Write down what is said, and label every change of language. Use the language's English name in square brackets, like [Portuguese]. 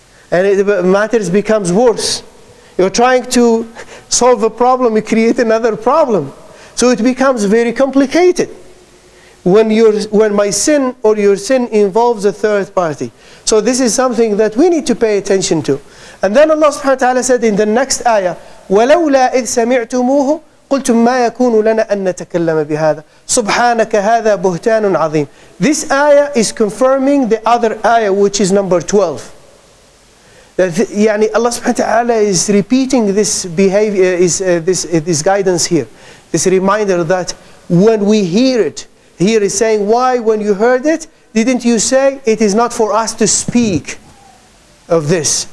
[English] And matters becomes worse. You're trying to solve a problem, you create another problem. So it becomes very complicated when my sin or your sin involves a third party. So this is something that we need to pay attention to. And then Allah subhanahu wa ta'ala said in the next ayah, [Arabic] وَلَوْلَا إِذْ سَمِعْتُمُوهُ قُلْتُمْ مَا يَكُونُ لَنَا أَن نَتَكَلَّمَ بِهَذَا سُبْحَانَكَ هَذَا بُهْتَانٌ عَظِيمٌ. [English] This ayah is confirming the other ayah, which is number 12. Allah subhanahu wa ta'ala is repeating this behavior, this guidance here. This reminder that when we hear it, here is saying, why when you heard it, didn't you say, it is not for us to speak of this.